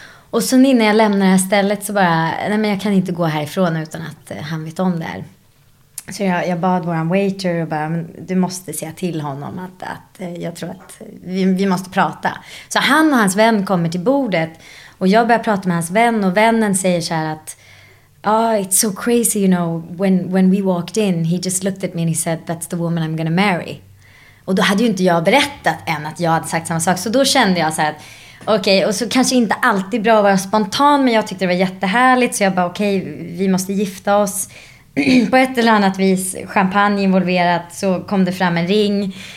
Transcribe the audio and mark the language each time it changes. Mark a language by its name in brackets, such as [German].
[Swedish] Och så innan jag lämnar det här stället så bara... Nej men jag kan inte gå härifrån utan att han vet om det här. Så jag bad våran waiter och bara... Men du måste säga till honom att jag tror att vi måste prata. Så han och hans vän kommer till bordet. Och jag börjar prata med hans vän. Och vännen säger så här att... [English] Oh, it's so crazy, you know. When we walked in, he just looked at me and he said... That's the woman I'm gonna marry. [Swedish] Och då hade ju inte jag berättat än att jag hade sagt samma sak. Så då kände jag så här att... Okej, och så kanske inte alltid bra att vara spontan, men jag tyckte det var jättehärligt. Så jag bara, okej, vi måste gifta oss. På ett eller annat vis, champagne involverat, så kom det fram en ring.